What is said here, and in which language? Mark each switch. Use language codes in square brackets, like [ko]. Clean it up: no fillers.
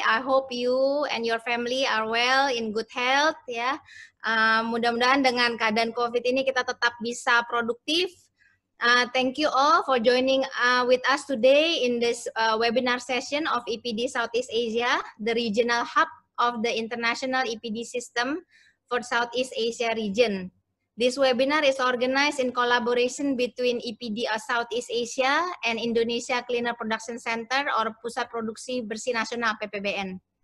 [en] I hope you and your family are well, in good health. Yeah. [id] Mudah-mudahan dengan keadaan COVID ini kita tetap bisa produktif. [en] Thank you all for joining with us today in this webinar session of EPD Southeast Asia, the regional hub of the international EPD system for Southeast Asia region. This webinar is organized in collaboration between EPD Southeast Asia and Indonesia Cleaner Production Centre or Pusat Produksi Bersih Nasional PPBN.